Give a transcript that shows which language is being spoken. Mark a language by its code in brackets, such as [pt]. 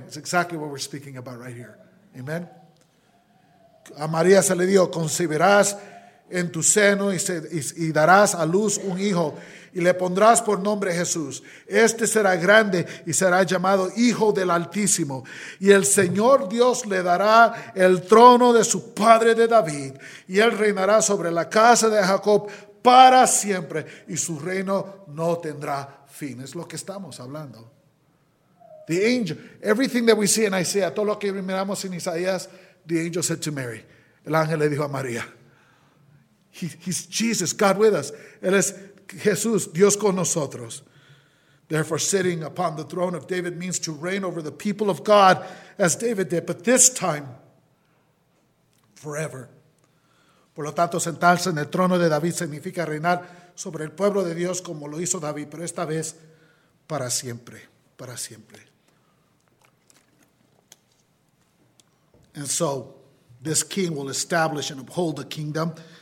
[en] It's exactly what we're speaking about right here. Amen. [es] A María se le dijo, concebirás en tu seno y darás a luz un hijo, y le pondrás por nombre Jesús. Este será grande y será llamado Hijo del Altísimo. Y el Señor Dios le dará el trono de su padre de David. Y él reinará sobre la casa de Jacob para siempre. Y su reino no tendrá fin. Es lo que estamos hablando. [en] The angel, everything that we see in Isaiah, [es] todo lo que miramos en Isaías, [en] the angel said to Mary. [es] El ángel le dijo a María. [en] He's Jesus, God with us. [es] Él es Jesús, Dios con nosotros. [en] Therefore, sitting upon the throne of David means to reign over the people of God as David did, but this time, forever. [es] Por lo tanto, sentarse en el trono de David significa reinar sobre el pueblo de Dios como lo hizo David, pero esta vez para siempre, para siempre. [en] And so, this king will establish and uphold the kingdom.